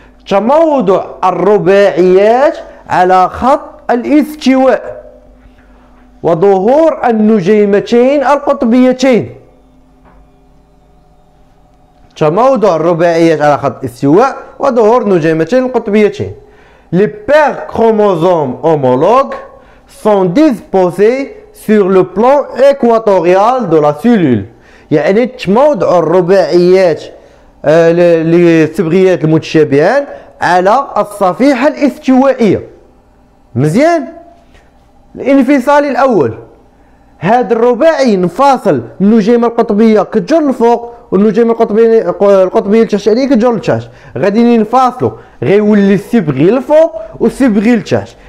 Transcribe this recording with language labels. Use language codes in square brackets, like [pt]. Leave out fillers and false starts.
[ar] تموضع الرباعيات على خط الاستواء وظهور النجيمتين القطبيتين. تموضع الرباعيات على خط الاستواء وظهور نجيمتين القطبيتين. [fr] Les paires chromosomes homologues sont disposées sur le plan équatorial de la cellule. [ar] يعني تموضع الرباعيات للصبغيات المتشابهان على الصفيحة الاستوائية. مزيان. الانفصال الأول، هذا الرباعي انفصل من النجيمة القطبية كتجر الفوق والنجيمة القطبية التحتانية عليه كتجر التحت، غادي ينفصلوا غيولي الصبغي الفوق والصبغي التحت.